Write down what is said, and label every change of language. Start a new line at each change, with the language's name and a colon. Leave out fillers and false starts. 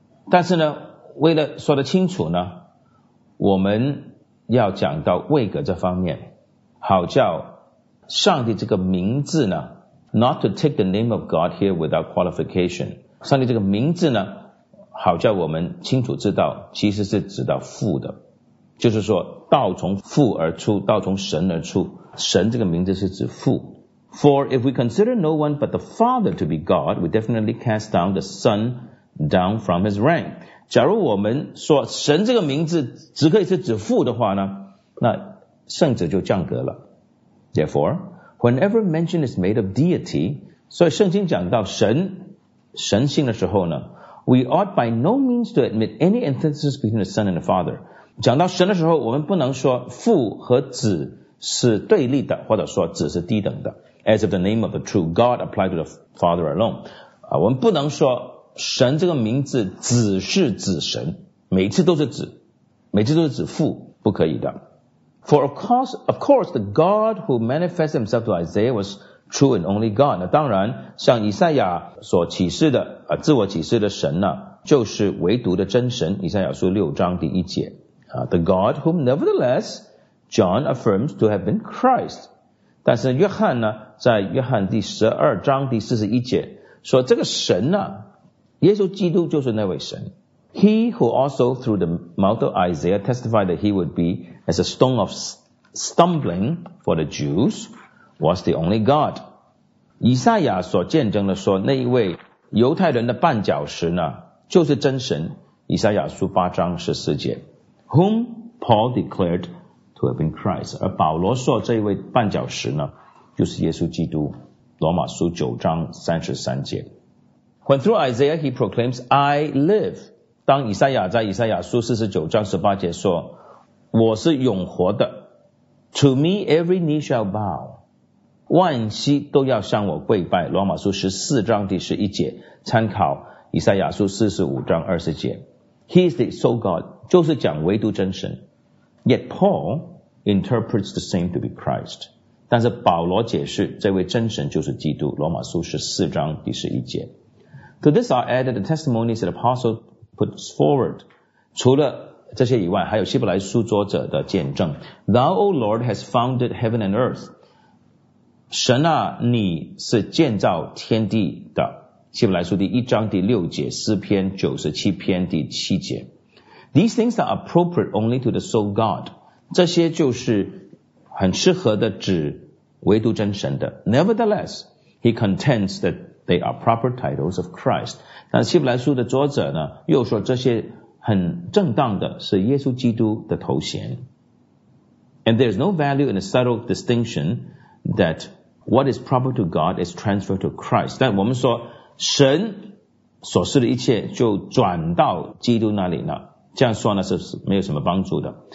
Chinese: 但是呢，为了说得清楚呢，我们要讲到位格这方面，好叫上帝这个名字呢 ，
English: not to take the name of God here without qualification。
Chinese: 上帝这个名字呢，好叫我们清楚知道，其实是指到父的，就是说道从父而出，道从神而出，神这个名字是指父。
English: For if we consider no one but the Father to be God, we definitely cast down the Son. Down from his rank.
Chinese: 假如我们说神这个名字只可以是指父的话呢，那圣者就降格了。
English: Therefore, whenever mention is made of deity,
Chinese: 所以圣经讲到神，神性的时候呢，
English: we ought by no means to admit any antithesis between the Son and the Father.
Chinese: 讲到神的时候，我们不能说父和子是对立的，或者说子是低等的。
English: As if the name of the true God applied to the Father alone.
Chinese: 啊，我们不能说神这个名字只是指神，每次都是指，每次都是指父，不可以的。
English: For of course, the God who manifested himself to Isaiah was true and only God.
Chinese: 那当然像以赛亚所启示的自我启示的神呢就是唯独的真神。以赛亚书六章第一节。
English: The God whom nevertheless John affirms to have been Christ.
Chinese: 但是约翰呢在约翰第十二章第四十一节说这个神呢耶稣基督就是那位神。
English: He who also through the mouth of Isaiah testified that he would be as a stone of stumbling for the Jews was the only God.
Chinese: 以赛亚所见证的说那一位犹太人的绊脚石呢就是真神。以赛亚书八章十四节。
English: Whom Paul declared to have been Christ.
Chinese: 而保罗说这一位绊脚石呢就是耶稣基督。罗马书九章三十三节。
English: When through Isaiah he proclaims, I live.
Chinese: 当以赛亚在以赛亚书四十九章十八节说我是永活的。
English: To me every knee shall bow.
Chinese: 万膝都要向我跪拜。罗马书十四章第十一节参考以赛亚书四十五章二十节。
English: He is the sole God.
Chinese: 就是讲唯独真神。
English: Yet Paul interprets the same to be Christ.
Chinese: 但是保罗解释这位真神就是基督。罗马书十四章第十一节。
English: To this are added the testimonies that the apostle puts forward.
Chinese: 除了这些以外还有希伯来书作者的见证。
English: Thou, O Lord, has founded heaven and earth.
Chinese: 神啊你是建造天地的。希伯来书第一章第六节诗篇九十七篇第七节。
English: These things are appropriate only to the sole God.
Chinese: 这些就是很适合的指唯独真神的。
English: Nevertheless, he contends that They are proper titles of Christ.
Chinese: 那希伯来书的作者呢又说这些很正当的是耶稣基督的头衔。
English: And there is no value in a subtle distinction that what is proper to God is transferred to Christ.
Chinese: 但我们说神所示的一切就转到基督那里了。这样说呢是没有什么帮助的。